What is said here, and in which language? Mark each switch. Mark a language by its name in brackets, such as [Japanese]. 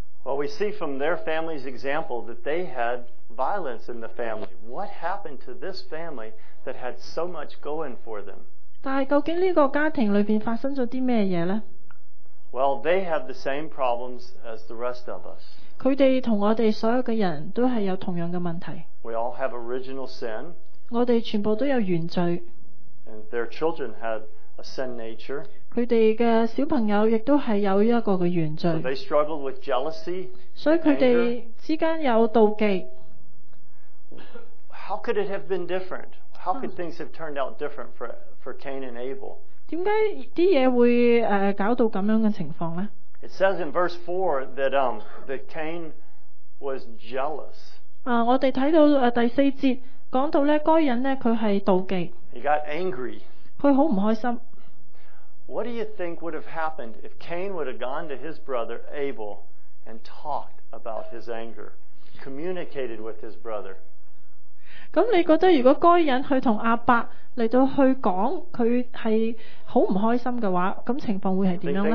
[English] Well, we see from their family's example that they had violence in the family. What happened to this family that had so much going for them? [Cantonese] 但究竟呢個家庭裏邊發生咗啲咩嘢咧？ [English] Well, they have the same problems as the rest of us. [Cantonese] 佢哋同我哋所有嘅人都係有同樣嘅問題。 [English] We all have original sin. [Cantonese] 我哋全部都有原罪。 [English] And their children had a sin nature. [Cantonese] 佢哋嘅小朋友亦都係有一個嘅原罪， [English] so、they struggled with jealousy, [Cantonese] 所以佢哋之間有妒忌。 [English] How could it have been different? How could things have turned out different for Cain and Abel? [Cantonese] 點解啲嘢會搞到咁樣嘅情況咧 [English] ？It says in verse 4 that that Cain was jealous。 [Cantonese] 我哋睇到第四節講到咧，該隱咧佢係妒忌。 [English] He got angry。 [Cantonese] 佢好唔開心。 [English] What do you think would have happened if Cain would have gone to his brother Abel and talked about his anger, communicated with his brother? [Cantonese] 咁你覺得如果該隱去同阿伯嚟到去講佢係好唔開心嘅話，咁情況會係點樣咧？